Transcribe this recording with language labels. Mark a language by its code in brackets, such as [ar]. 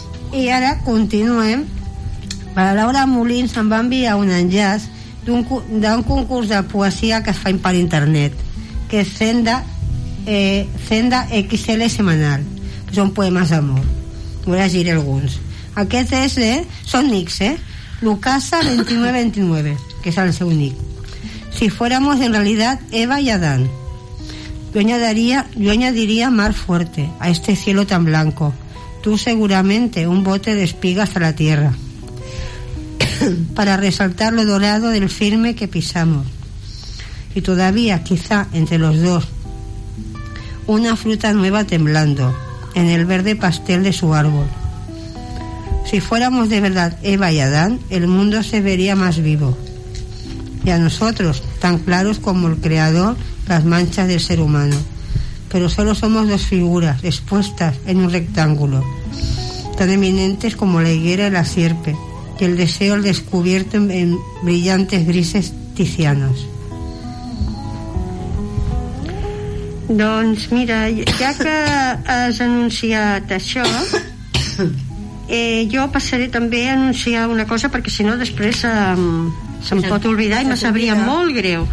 [ca] I ara continuem. La Laura Molins em va enviar un enllaç d'un concurs de poesia que es fa per internet, que és Senda XL Semanal, que són poemes d'amor. Vull llegir alguns. Aquest és de... són nics, eh? Lucasa 2929, que és el seu nick. [es] Si fuéramos en realidad Eva y Adán, yo añadiría mar fuerte a este cielo tan blanco, tú seguramente un bote de espigas a la tierra para resaltar lo dorado del firme que pisamos, y todavía quizá entre los dos una fruta nueva temblando en el verde pastel de su árbol. Si fuéramos de verdad Eva y Adán, el mundo se vería más vivo, y a nosotros tan claros como el creador las manchas del ser humano, pero solo somos dos figuras expuestas en un rectángulo tan eminentes como la higuera y la sierpe, y el deseo al descubierto en brillantes grises tizianos. [ca] Doncs mira, ja que has anunciat això, jo passaré també a anunciar una cosa, perquè si no després se'm pot oblidar i me sabria molt greu.